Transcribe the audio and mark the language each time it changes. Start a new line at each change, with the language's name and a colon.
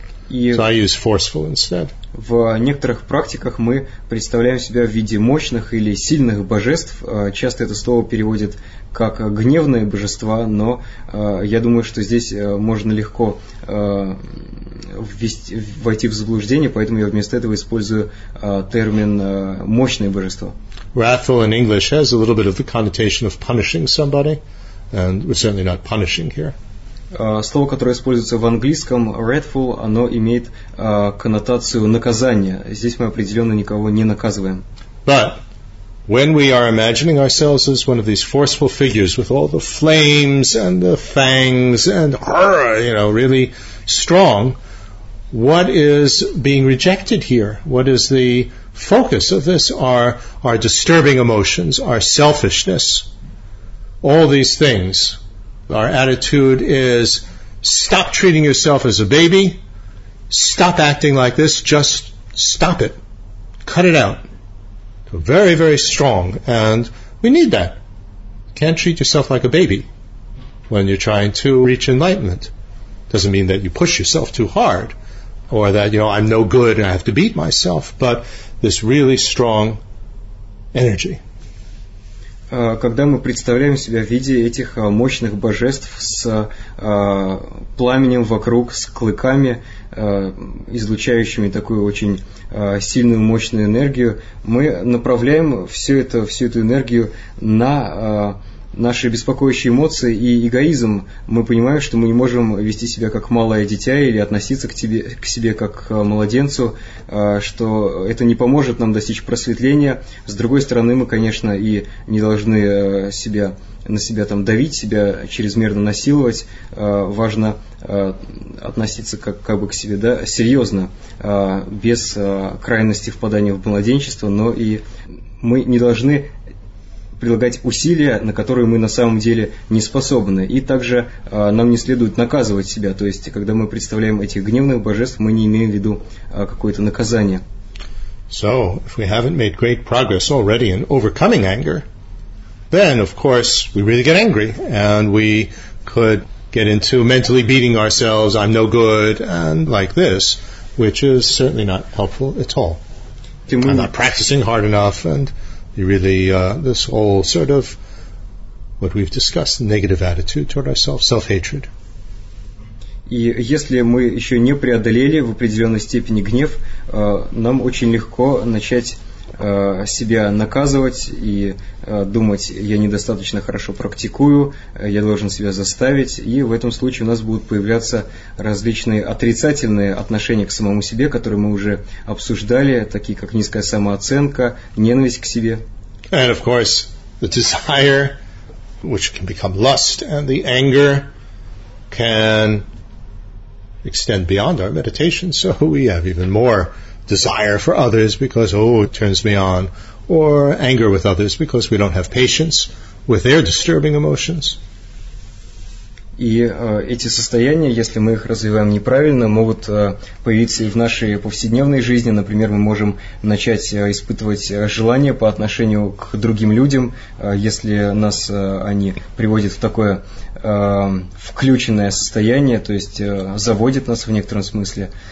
English: И so I use forceful instead.
Russian: В некоторых практиках мы представляем себя в виде мощных или сильных божеств. Часто это слово переводят как гневные божества, но я думаю, что здесь можно легко войти в заблуждение, поэтому я вместо этого использую термин мощное божество.
English: Wrathful in English has a little bit of the connotation of punishing somebody, and we're certainly not punishing here.
Russian: Слово, которое используется в английском, wrathful, оно имеет коннотацию наказания. Здесь мы определенно никого не наказываем.
English: But when we are imagining ourselves as one of these forceful figures with all the flames and the fangs and, you know, really strong, what is being rejected here? What is the focus of this? Our disturbing emotions, our selfishness, all these things. Our attitude is, stop treating yourself as a baby, stop acting like this, just stop it, cut it out. So very, very strong, and we need that. Can't treat yourself like a baby when you're trying to reach enlightenment. Doesn't mean that you push yourself too hard, or that, you know, I'm no good and I have to beat myself, but this really strong energy.
Russian: Когда мы представляем себя в виде этих мощных божеств с пламенем вокруг, с клыками, излучающими такую очень сильную, мощную энергию, мы направляем всю эту энергию на наши беспокоящие эмоции и эгоизм. Мы понимаем, что мы не можем вести себя как малое дитя или относиться к себе как к младенцу, что это не поможет нам достичь просветления. С другой стороны, мы, конечно, и не должны давить себя, чрезмерно насиловать. Важно относиться как бы к себе, да, серьезно, без крайности впадания в младенчество, но и мы не должны прилагать усилия, на которые мы на самом деле не способны. И также нам не следует наказывать себя. То есть, когда мы представляем этих гневных божеств, мы не имеем в виду какое-то наказание.
English: So, if we haven't made great progress already in overcoming anger, then, of course, we really get angry. And we could get into mentally beating ourselves, I'm no good, and like this, which is certainly not helpful at all. I'm not practicing hard enough, and you really, this whole sort of what we've discussed, negative attitude toward ourselves, self-hatred.
Russian: И если мы еще не преодолели в определенной степени гнев, нам очень легко начать себя наказывать и думать, я недостаточно хорошо практикую, я должен себя заставить, и в этом случае у нас будут появляться различные отрицательные отношения к самому себе, которые мы уже обсуждали, такие как низкая самооценка, ненависть к себе.
English: And of course, the desire, which can become lust, and the anger can extend beyond our meditation, so we have even more desire for others because, oh, it turns me on, or anger with others because we don't have patience with their disturbing emotions.
Russian: И эти состояния, если мы их развиваем неправильно, могут появиться и в нашей повседневной жизни. Например, мы можем начать испытывать желание по отношению к другим людям, если нас они приводят в такое включенное состояние, то есть заводят нас в некотором смысле.